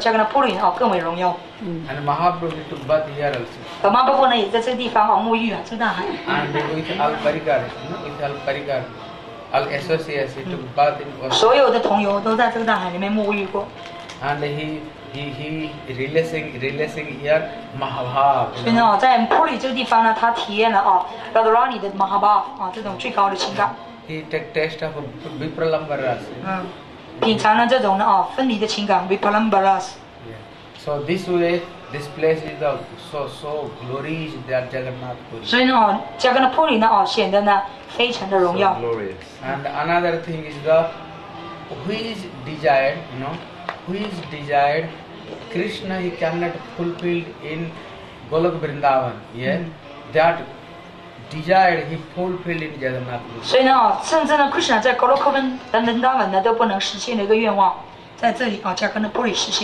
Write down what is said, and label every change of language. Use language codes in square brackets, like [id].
[zh] 所以呢，因为呢，主呢，的灵在及他同游啊，奉献者的灵在，那么令到加格纳波罗啊更为荣耀。 [en] And Mahaprabhu took bath here also. [zh] 马婆婆呢也在这个地方沐浴啊，这大海。 [en] And with all parikar, with all parikar, all associates took bath in. [zh] 所有的同游都在这个大海里面沐浴过。 [en] And he releasing here Mahabhav. [zh] 所以呢，在普里这个地方呢，他体验了啊，Radharani的 Mahabhav 啊，这种最高的情感。 [en] He take taste of Vipralambaras. [zh] 品尝了这种的啊，分离的情感 Vipralambaras. [en] So this way, this place is so glorious that Jagannath Puri. [zh] 所以呢，啊，加格纳普里呢啊，显得呢非常的荣耀。 [en] So glorious. And another thing is the which desire, you know. Whose desire Krishna he cannot fulfill in Golok Vrindavan. Yeah? That desire he fulfilled in Jagannath Puri. So, even Krishna in Golok Vrindavan he cannot fulfill his wish in Jagannath Puri.